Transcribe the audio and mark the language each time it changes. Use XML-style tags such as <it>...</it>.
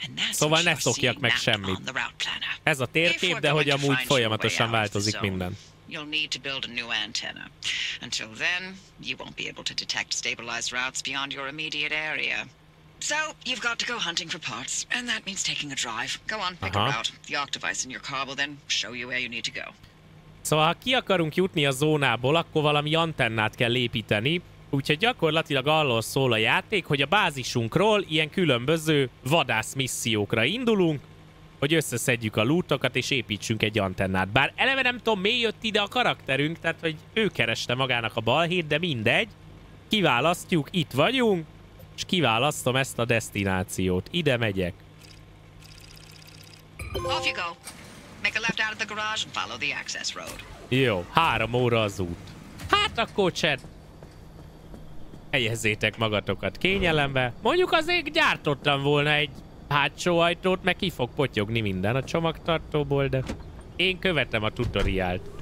<hu>Szóval ne szokjak meg semmit. Ez a térkép, de hogy amúgy folyamatosan változik minden.</hu> <en>You'll need to build a new antenna. Until then, you won't be able to detect stabilized routes beyond your immediate area. So, you've got to go hunting for parts, and that means taking a drive. Go on, pick a route. The arc device in your car will then show you where you need to go.</en> <hu>Szóval, ha ki akarunk jutni a zónából, akkor valami antennát kell építeni. Úgyhogy gyakorlatilag arról szól a játék, hogy a bázisunkról ilyen különböző vadászmissziókra indulunk, hogy összeszedjük a lootokat és építsünk egy antennát. Bár eleve nem tudom, mi jött ide a karakterünk, tehát hogy ő kereste magának a balhét, de mindegy. Kiválasztjuk, itt vagyunk. És kiválasztom ezt a destinációt. Ide megyek.</hu> <en>Off you go. Make a left out of the garage and follow the access road.</en> <hu>Jó, 3 óra az út. Hát akkor cset. Helyezzétek magatokat kényelembe. Mondjuk azért gyártottam volna egy hátsó ajtót, mert ki fog potyogni minden a csomagtartóból, de én követem a tutoriált.</hu>